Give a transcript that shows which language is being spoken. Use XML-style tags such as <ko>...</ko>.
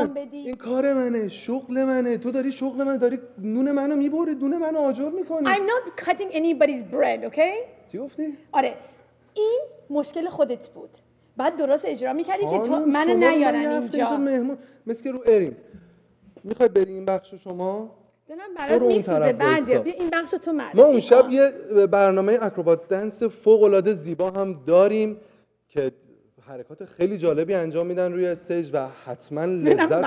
<fa>این کار منه، شغل منه، تو داری شغل منه، داری نون منو میبری، نون منو آجر میکنی.</fa> <en>I'm not cutting anybody's bread, okay؟</en> <fa>چی گفتی؟ آره، این مشکل خودت بود. بعد درست اجرا میکردی که تو منو نیارن اینجا. اینجا مهمون، مثل که رو اریم. میخوای بری این بخش شما؟ دلم برات میسوزه بردیا، بیا این بخش تو معرفی. ما اون شب یه برنامه اکروبات دنس فوق‌العاده زیبا هم داریم که حرکات خیلی جالبی انجام میدن روی استیج و حتما لذت.</fa>